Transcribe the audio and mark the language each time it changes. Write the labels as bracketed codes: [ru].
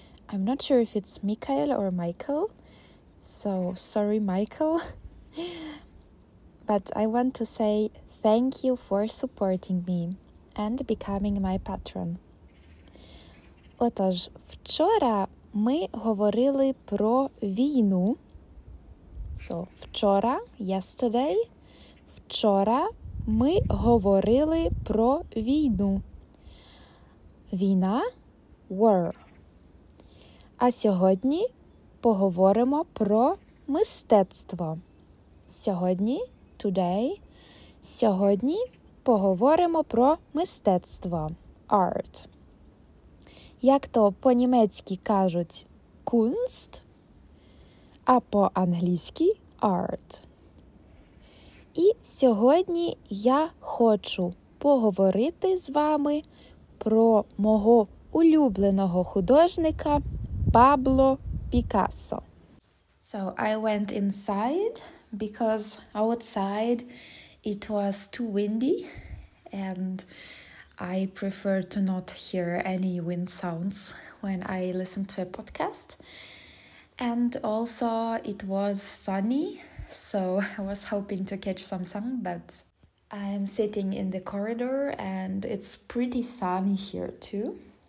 [en] I'm not sure if it's Mikael or Michael. So, sorry Michael. But I want to say thank you for supporting me and becoming my patron. [uk] Отож, вчора ми говорили про війну. So, вчора, yesterday, вчора ми говорили про війну. Війна, war. А сьогодні поговоримо про мистецтво. Сьогодні, today, сьогодні поговоримо про мистецтво, art. Як то по-німецьки кажуть Kunst, а по-англійськи art. І сьогодні я хочу поговорити з вами про мого улюбленого художника Пабло Пікассо. [en] So I went inside because outside it was too windy and I prefer to not hear any wind sounds when I listen to a podcast. And also it was sunny, so I was hoping to catch some sun, but I'm sitting in the corridor and it's pretty sunny here too.